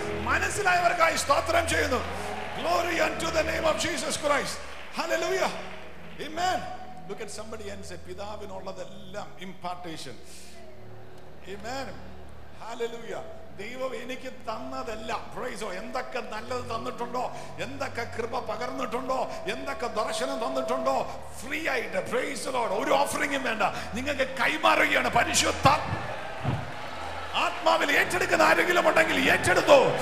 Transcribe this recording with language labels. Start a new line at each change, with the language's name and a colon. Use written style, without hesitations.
Malayalam: മനസ്സിലായവർക്കായി സ്തോത്രം ചെയ്യുന്നു.
English: Glory unto the name of Jesus Christ. Hallelujah. Amen. Look at somebody and say,
Malayalam: പിതാവിനുള്ളതെല്ലാം
English: impartation. Amen. Hallelujah.
Malayalam: ദൈവം എനിക്ക് തന്നതെല്ലാം, പ്രൈസോ, എന്തൊക്കെ നല്ലത് തന്നിട്ടുണ്ടോ, എന്തൊക്കെ കൃപ പകർന്നിട്ടുണ്ടോ, എന്തൊക്കെ ദർശനം തന്നിട്ടുണ്ടോ, ഫ്രീ ആയിട്ട്, പ്രൈസ് ലോർഡ്. ഒരു ഓഫറിംഗും വേണ്ട, നിങ്ങൾക്ക് കൈമാറുകയാണ്. പരിശുദ്ധ ആത്മാവിൽ ഏറ്റെടുക്കുന്ന ആരെങ്കിലും ഉണ്ടെങ്കിൽ ഏറ്റെടുത്തോ.